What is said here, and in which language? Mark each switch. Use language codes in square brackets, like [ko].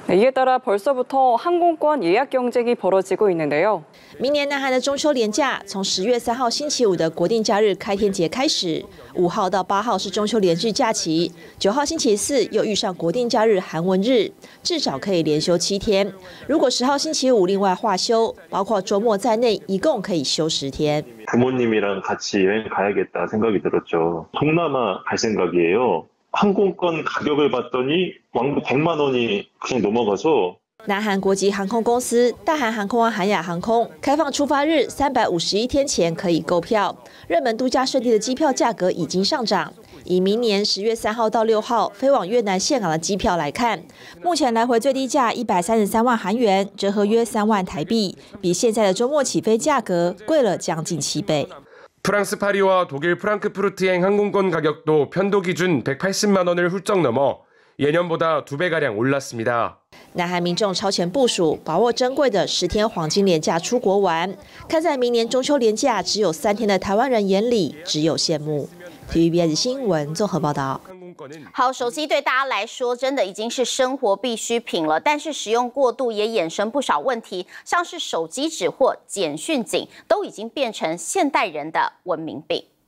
[ko] 이에따라벌써부터항공권예약경쟁이벌어지고있는데요 [zh] 明年南韩的中秋连假从10月3号星期五的国定假日开天节开始，5号到8号是中秋连续假期，9号星期四又遇上国定假日韩文日，至少可以连休7天。如果10号星期五另外化休，包括周末在内，一共可以休10天。 [ko] 부모님이랑같이여행가야겠다생각이들었죠동남아갈생각이에요항공권가격을봤더니왕복100만원이그냥넘어가서 [zh] 南韩国际航空公司大韩航空和韩亚航空开放出发日351天前可以购票，热门度假胜地的机票价格已经上涨。以明年10月3号到6号飞往越南岘港的机票来看，目前来回最低价133万韩元，折合约3万台币，比现在的周末起飞价格贵了将近7倍。 [ko] 프랑스파리와독일프랑크푸르트행항공권가격도편도기준180만원을훌쩍넘어 예년보다 두 배가량 올랐습니다. [zh] 南韩民众超前部署，把握珍贵的十天黄金连假出国玩。看在明年中秋连假只有三天的台湾人眼里，只有羡慕。 TVBS 新闻综合报道。好，手机对大家来说真的已经是生活必需品了，但是使用过度也衍生不少问题，像是手机纸或简讯警，都已经变成现代人的文明病。